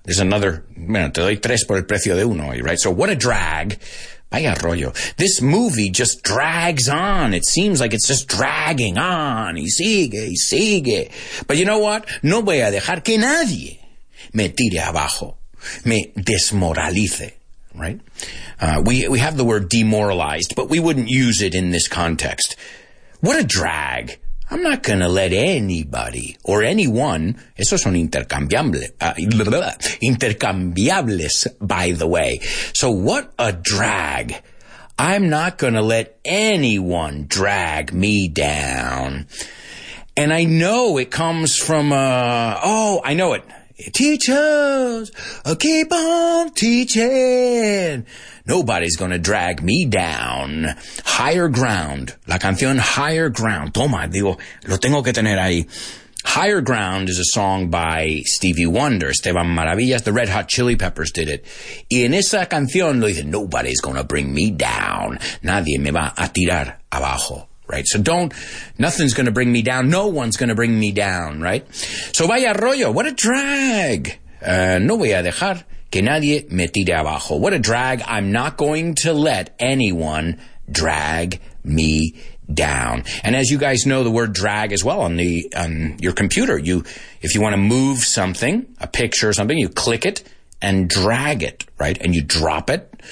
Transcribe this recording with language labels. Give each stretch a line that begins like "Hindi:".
English: There's another,
Spanish: bueno, te doy tres por el precio de uno,
English: right? So what a drag.
Spanish: Vaya rollo.
English: This movie just drags on. It seems like it's just dragging on.
Spanish: Y sigue, y sigue.
English: But you know what?
Spanish: No voy a dejar que nadie me tire abajo, me desmoralice, right?
English: We have the word demoralized, but we wouldn't use it in this context. What a drag. I'm not going to let anybody or anyone,
Spanish: esos son intercambiables,
English: by the way. So what a drag. I'm not going to let anyone drag me down. And I know it comes from, I know it. Teachers, keep on teaching. Nobody's gonna drag me down. Higher ground.
Spanish: La canción Higher Ground. Toma, digo, lo tengo que tener ahí.
English: Higher Ground is a song by Stevie Wonder. Esteban Maravillas, the Red Hot Chili Peppers did it.
Spanish: Y en esa canción lo dice,
English: nobody's gonna bring me down.
Spanish: Nadie me va a tirar abajo.
English: Right, so nothing's going to bring me down. No one's going to bring me down, right? So
Spanish: vaya rollo,
English: what a drag.
Spanish: No voy a dejar que nadie me tire abajo.
English: What a drag, I'm not going to let anyone drag me down. And as you guys know, the word drag as well on your computer. If you want to move something, a picture or something, you click it and drag it, right? And you drop it.